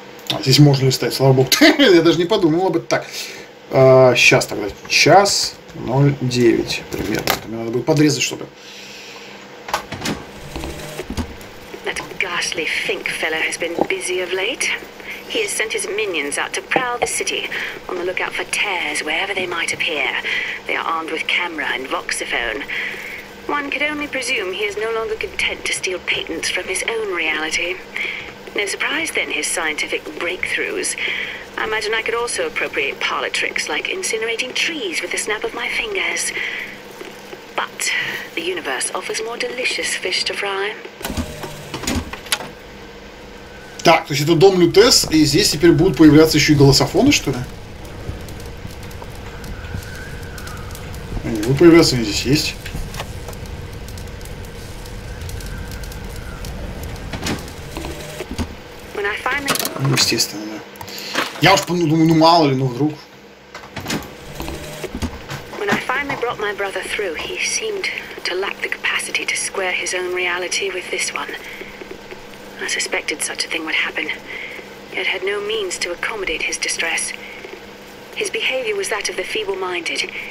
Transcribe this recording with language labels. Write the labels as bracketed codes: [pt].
[ru] А здесь можно листать, слава богу. Я даже не подумал об этом. Так, сейчас тогда. Сейчас. 0.9 примерно. Это мне надо будет подрезать что-то. [en] That ghastly Fink fellow has been busy of late. He has sent his minions out to prowl the city on the lookout for tears wherever they might appear. They are armed with camera and voxophone. One could only presume he is no longer content to steal patents from his own reality. No surprise then his scientific breakthroughs. I imagine I could also appropriate parlor tricks like incinerating trees with the snap of my fingers. But the universe offers more delicious fish to fry. [ru] Так, то есть это дом Лютес, и здесь теперь будут появляться еще и голософоны, что ли? Они будут появляться, они здесь есть. [en] When I finally... [ru] Ну, естественно. Я уж подумал, ну мало ли, ну вдруг. [en] When I finally brought my brother through, he seemed to lack the capacity to square his own reality with this one. I suspected such a thing would happen, yet had no means to accommodate his distress. His behavior was that of the feeble-minded.